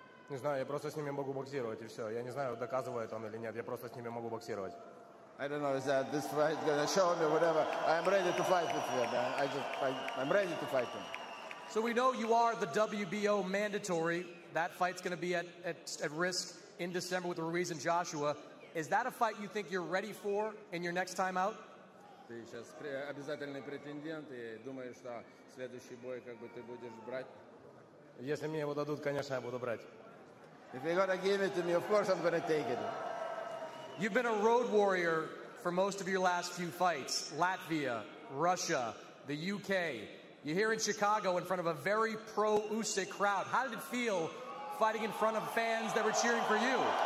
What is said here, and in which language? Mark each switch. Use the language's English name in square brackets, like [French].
[Russian] Не знаю, я просто с ними могу боксировать и все. Я не знаю, доказывает он или нет. Я просто с ними могу боксировать. [English] I don't know, is that this fight going to show me whatever. I'm ready to fight with him. I'm ready to fight him. So we know you are the WBO mandatory. That fight's going to be at risk in December with Ruiz and Joshua. Is that a fight you think you're ready for in your next time out? [Russian] Ты сейчас обязательный претендент, и думаешь, что следующий бой как бы ты будешь брать? Если мне его дадут, конечно, я буду брать. [English] If you're going to give it to me, of course I'm going to take it. You've been a road warrior for most of your last few fights. Latvia, Russia, the UK. You're here in Chicago in front of a very pro-Usyk crowd. How did it feel fighting in front of fans that were cheering for you?